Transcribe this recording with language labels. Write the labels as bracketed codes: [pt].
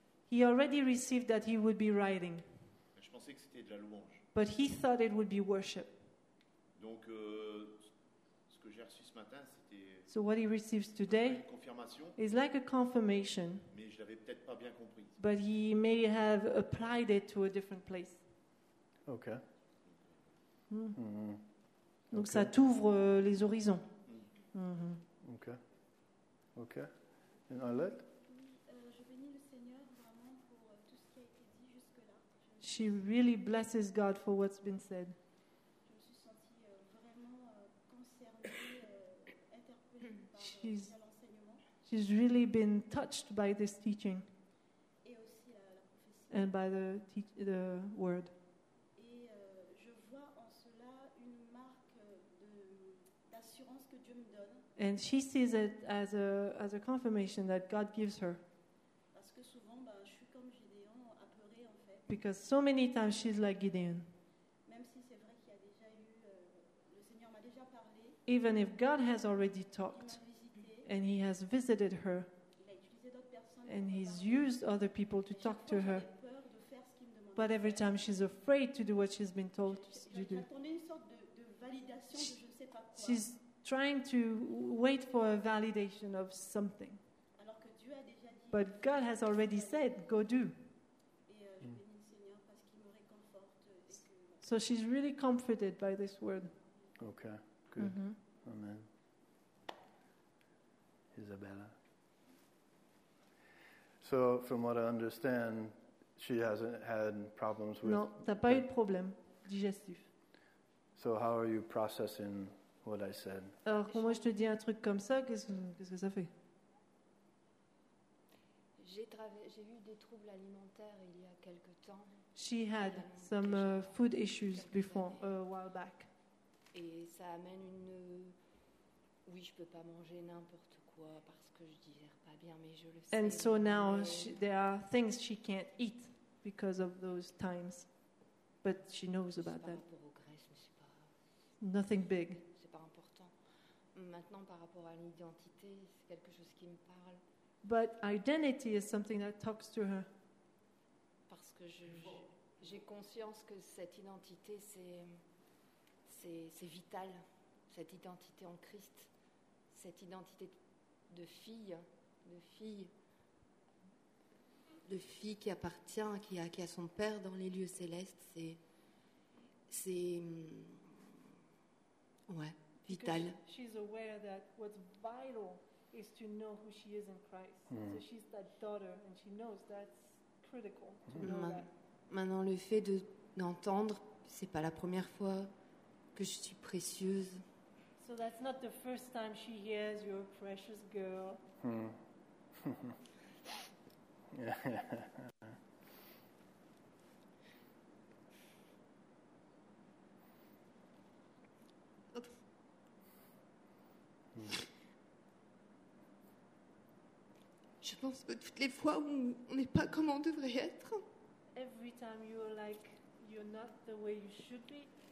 [en] He already received that he would be writing. [fr] Mais je pensais que c'était de la louange. [en] But he thought it would be worship. [fr] Donc ce que j'ai reçu ce matin, c'est [en] so what he receives today is like a confirmation, [fr] mais je l'avais peut-être pas bien compris. [en] But he may have applied it to a different place. Okay. [fr] Donc ça t'ouvre les horizons. [en] Okay. And Arlette? [fr] Je bénis le Seigneur vraiment pour tout ce qui a été dit jusque-là. [en] She really blesses God for what's been said. She's really been touched by this teaching [fr] et aussi la prophétie [en] and by the word. [fr] Et je vois en cela une marque d'assurance que Dieu me donne. [en] And she sees it as a confirmation that God gives her. [fr] Parce que souvent, bah, je suis comme Gideon, apeurée en fait. [en] Because so many times she's like Gideon. [fr] Même si c'est vrai qu'il y a déjà eu, le Seigneur m'a déjà parlé. [en] Even if God has already talked. And he has visited her. And he's used other people to talk to her. But every time she's afraid to do what she's been told to do. She's trying to wait for a validation of something. But God has already said, go do. So she's really comforted by this word. Okay, good. Mm-hmm. Amen. Isabella. So, from what I understand, she hasn't had problems with. [fr] Non, t'as pas eu de problème digestif. [en] So, how are you processing what I said? [fr] Alors, quand moi je te dis un truc comme ça, qu'est-ce que ça fait? J'ai eu des troubles alimentaires il y a quelque temps. [en] She had some food issues before a while back. [fr] Et ça amène une. Oui, je peux pas manger n'importe quoi. Parce que je digère pas bien, mais je le sais. [en] And so now there are things she can't eat because of those times, but she knows about [fr] c'est [en] that. [fr] Progrès, c'est pas [en] nothing big. [fr] C'est pas important. Maintenant, par rapport à l'identité, c'est quelque chose qui me parle. [en] But identity is something that talks to her. [fr] Parce que j'ai conscience que cette identité c'est vital, cette identité en Christ, cette identité de fille qui appartient, qui a son père dans les lieux célestes, c'est vital. [en] She's aware that what's vital is to know who she is in Christ. So she's that daughter, and she knows that's critical to know that. [fr] Maintenant, le fait d'entendre, c'est pas la première fois que je suis précieuse. [en] So that's not the first time she hears you're a precious girl. [fr] Je pense que toutes les fois où on n'est pas comme on devrait être. [en] Every time you're like you're not the way you should be.